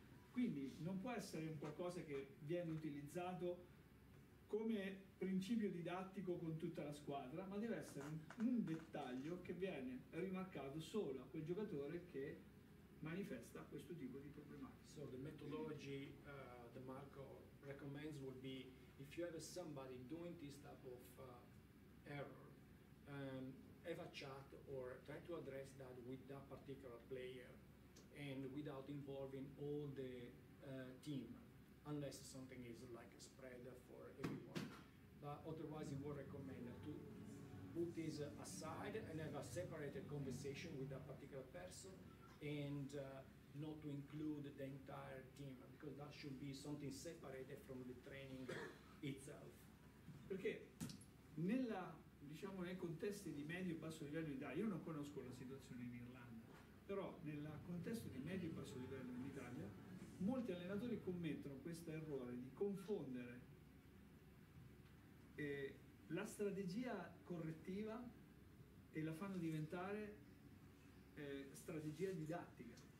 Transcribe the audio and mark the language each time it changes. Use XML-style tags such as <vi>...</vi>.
<it>Quindi non può essere un qualcosa che viene utilizzato come principio didattico con tutta la squadra, ma deve essere un dettaglio che viene rimarcato solo a quel giocatore che manifesta questo tipo di problematica.</it> <en>So the methodology that Marco recommends would be, if you have somebody doing this type of error, have a chat or try to address that with that particular player and without involving all the team, unless something is like a spread for everyone. But otherwise, he would recommend to put this aside and have a separated conversation with that particular person, and not to include the entire team, because that should be something separated from the training itself.</en> <it>Perché nella, diciamo, nei contesti di medio e basso livello in Italia, io non conosco la situazione in Irlanda, però nel contesto di medio e basso livello in Italia molti allenatori commettono questo errore di confondere la strategia correttiva e la fanno diventare strategia didattica.</it>